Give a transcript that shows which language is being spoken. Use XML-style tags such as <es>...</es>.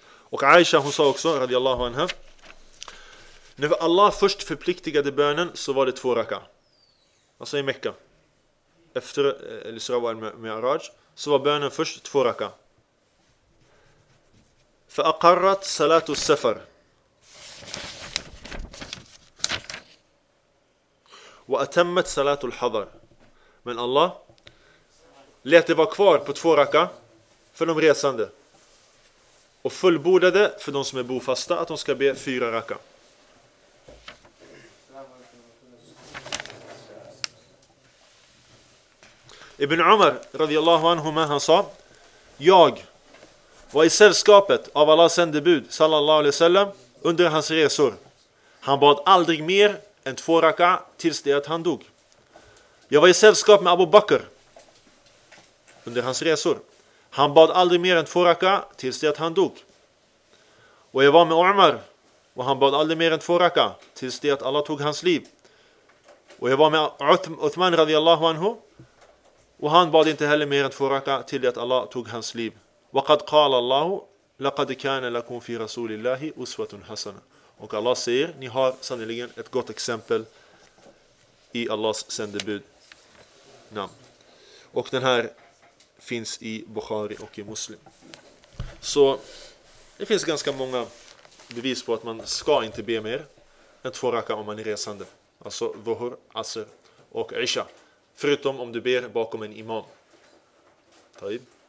<sv>Och Aisha, hon sa också, radiyallahu anha, när Allah först förpliktigade bönen så var det 2 raka. Alltså i Mekka. Efter Isra wa Mi'raj så var bönen först 2 raka.</sv> <ar>فأقرت صلاة السفر وأتمت صلاة الحضر.</ar> <sv>Men Allah lät det vara kvar på 2 raka för de resande och fullbordade för de som är bofasta att de ska be 4 raka. Ibn Umar radiyallahu anhuma han sa, jag var i sällskapet av Allahs sändebud sallallahu alaihi wasallam under hans resor. Han bad aldrig mer än 2 raka tills det att han dog. Jag var i sällskap med Abu Bakr under hans resor. Han bad aldrig mer än 2 raka tills det att han dog. Och jag var med Umar och han bad aldrig mer än 2 raka tills det att Allah tog hans liv. Och jag var med Uthman radiyallahu anhu och han bad inte heller mer än 2 raka tills det att Allah tog hans liv.</sv> <ar>وقد قال الله لقد كان لكم في رسول الله أسوة حسنة.</ar> <sv>Och Allah säger, ni har sannoliken ett gott exempel i Allahs sändebud. Och den här finns i Bukhari och i Muslim. Så det finns ganska många bevis på att man ska inte be mer än 2 raka om man är resande, alltså Dhuhr, Asr och Isha, förutom om du ber bakom en imam. Taib.</sv>